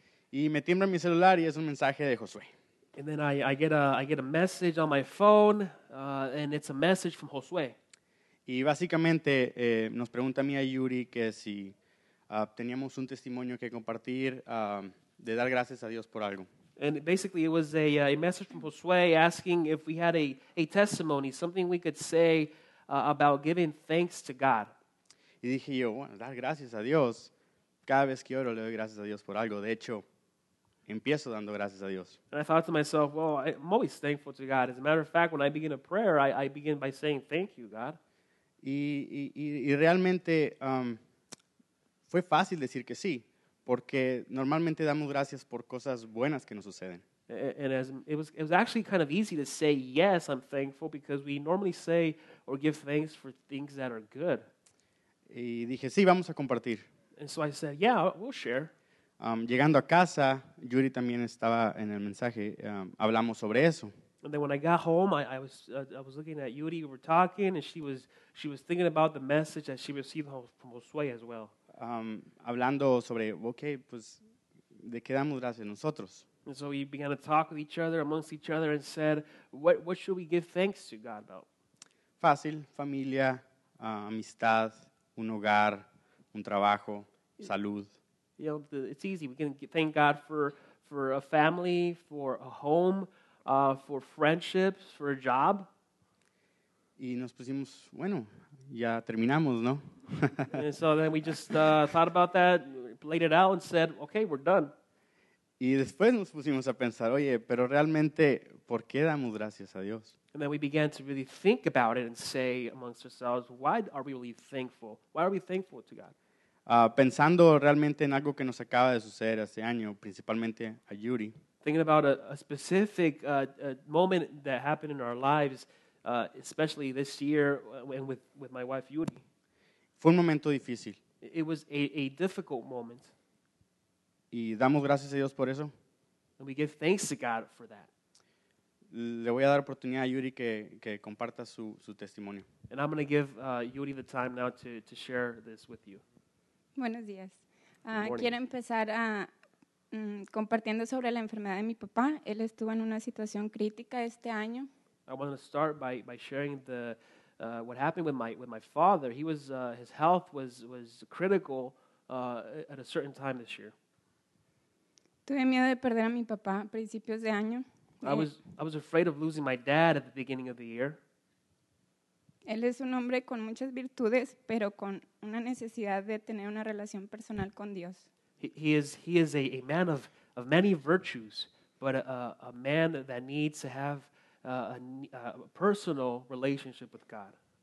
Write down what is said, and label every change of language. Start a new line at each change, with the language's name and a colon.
Spanish: Y me timbra mi celular y es un mensaje de Josué.
English: And then I get a message on my phone, and it's a message from Josué.
Spanish: Y básicamente nos pregunta a mí y a Yuri que si teníamos un testimonio que compartir de dar gracias a Dios por algo.
English: And basically it was a message from Josué asking if we had a testimony, something we could say about giving thanks to God.
Spanish: Y dije yo, bueno, dar gracias a Dios. Cada vez que oro le doy gracias a Dios por algo. De hecho, empiezo dando gracias a Dios.
English: And I thought to myself, well, I'm always thankful to God. As a matter of fact, when I begin a prayer, I begin by saying, thank you, God.
Spanish: Y realmente fue fácil decir que sí, porque normalmente damos gracias por cosas buenas que nos suceden.
English: And as it was actually kind of easy to say, yes, I'm thankful, because we normally say or give thanks for things that are good.
Spanish: Y dije, sí, vamos a compartir.
English: And so I said, yeah, we'll share.
Spanish: Llegando a casa, Yuri también estaba en el mensaje, hablamos sobre eso.
English: And then when I got home, I was looking at Yuri, we were talking, and she was thinking about the message that she received from Josué as well.
Spanish: Hablando sobre, okay, pues, ¿de qué damos gracias nosotros?
English: And so we began to talk with each other, amongst each other, and said, what should we give thanks to God about?
Spanish: Fácil, familia, amistad, un hogar, un trabajo, salud.
English: You know, it's easy. We can thank God for a family, for a home, for friendships, for a job.
Spanish: Y nos pusimos, bueno, ya terminamos, ¿no?
English: And so then we just thought about that, laid it out, and said, okay, we're done.
Spanish: Y después nos pusimos a pensar, oye, pero realmente, ¿por qué damos gracias a Dios?
English: And then we began to really think about it and say amongst ourselves, why are we really thankful? Why are we thankful to God?
Spanish: Pensando realmente en algo que nos acaba de suceder hace año, principalmente a Yuri.
English: Thinking about a specific moment that happened in our lives, especially this year with my wife Yuri.
Spanish: Fue un momento difícil.
English: It was a difficult moment.
Spanish: Y damos gracias a Dios por eso.
English: And we give thanks to God for that.
Spanish: Le voy a dar oportunidad a Yuri que comparta su testimonio.
English: And I'm going to give Yuri the time now to share this with you.
Spanish: Buenos días. Quiero empezar compartiendo sobre la enfermedad de mi papá. Él estuvo en una situación crítica este año.
English: I want to start by sharing the what happened with my father. He was his health was critical at a certain time this year.
Spanish: Tuve miedo de perder a mi papá a principios de año.
English: I was afraid of losing my dad at the beginning of the year.
Spanish: Él es un hombre con muchas virtudes, pero con una necesidad de tener una relación personal con Dios.
English: He is a man of many virtues, but a man that needs to have a personal relationship with God.